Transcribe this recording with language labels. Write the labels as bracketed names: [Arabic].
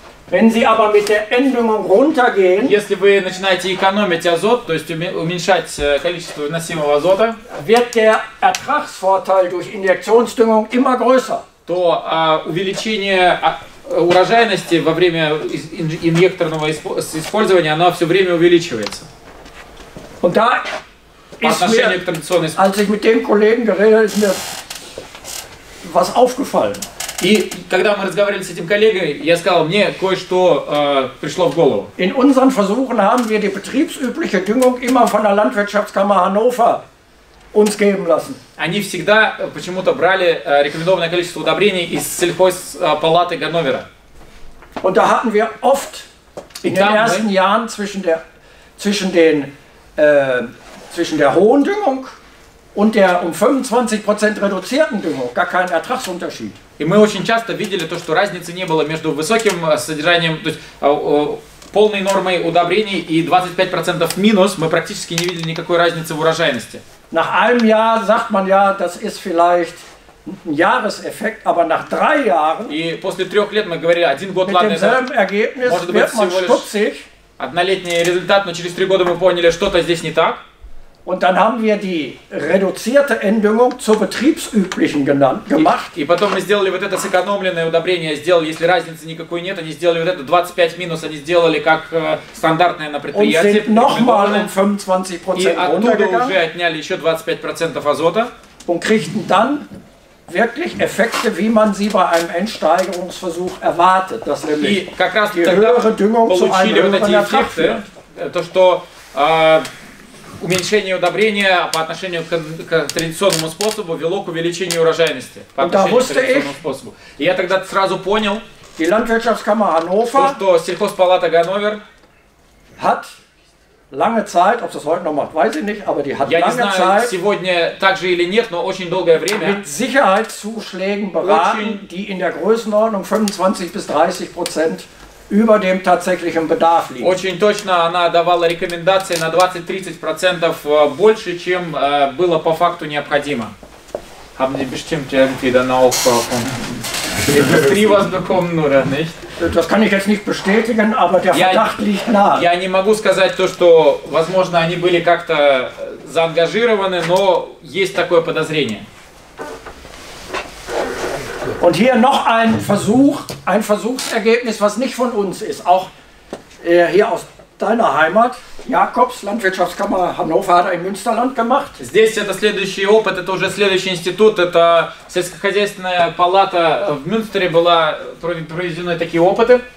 [German] Wenn Sie aber mit der Endüngung runtergehen, [Russian] если вы начинаете экономить азот, то есть уменьшать количество вносимого азота, [German] wird der Ertragsvorteil durch Injektionsdüngung immer größer. [Russian] То увеличение урожайности во время инъекторного использования, оно все время увеличивается. [German] Und da ist mir, als ich mit dem Kollegen geredet, ist mir was aufgefallen. [Russian] И когда мы разговаривали с этим коллегой, я сказал, мне кое-что пришло в голову. [German] In unseren Versuchen haben wir die betriebsübliche Düngung immer von der Landwirtschaftskammer Hannover uns geben lassen. [Russian] Они всегда почему-то брали рекомендованное количество удобрений из сельхозпалаты Ганновера. [German] Und da hatten wir oft in den ersten Jahren zwischen der hohen Düngung und der um 25% reduzierten Düngung gar keinen Ertragsunterschied. [Russian] И мы очень часто видели то, что разницы не было между высоким содержанием, то есть полной нормой удобрений и 25% минус, мы практически не видели никакой разницы в урожайности. [German] Nach einem Jahr sagt man ja, das ist vielleicht ein Jahreseffekt, aber nach drei Jahren [Russian] и после трех лет мы говорили, один год, [German] mit demselben Ergebnis wird man stutzig. [Russian] Однолетний результат, но через три года мы поняли, что-то здесь не так. [German] Und dann haben wir die reduzierte Endüngung zur betriebsüblichen genannt, gemacht. [Russian] И потом мы сделали вот это сэкономленное удобрение, сделали, если разницы никакой нет, они сделали вот это 25 минус, они сделали как стандартное на предприятии. [German] Und sind nochmal um 25% runtergegangen. [Russian] И оттуда уже отняли еще 25% азота. [German] Und kriegten dann wirklich Effekte, wie man sie bei einem Endsteigerungsversuch erwartet, dass nämlich die höhere Düngung zu einem höheren Ertrag führt. [Russian] То, что уменьшение удобрения по отношению к традиционному способу вело к увеличению урожайности. Я тогда сразу понял, [German] die Landwirtschaftskammer Hannover, [Russian] что сельхозпалата Ганновер [German] hat lange Zeit, ob das heute noch macht, weiß ich nicht, aber die hat lange [Russian] Я не знаю, сегодня так же или нет, но очень долгое время. [German] Mit Sicherheitszuschlägen beraten, die in der Größenordnung 25-30% über dem tatsächlichen Bedarf liegen. [Russian] Очень точно она давала рекомендации на 20-30% больше, чем было по факту необходимо. [German] Haben Sie bestimmt irgendwie dann auch von Industriewas bekommen oder nicht? Das kann ich jetzt nicht bestätigen, aber der Verdacht liegt nahe. [Russian] Я не могу сказать то, что, возможно, они были как-то заангажированы, но есть такое подозрение. [German] Und hier noch ein Versuch, ein Versuchsergebnis, was nicht von uns ist, auch hier aus deiner Heimat. Jakobs Landwirtschaftskammer Hannover hat er im Münsterland gemacht. [Russian] Здесь это следующий опыт, это уже следующий институт, это сельскохозяйственная палата в Мюнстере была проведены такие опыты.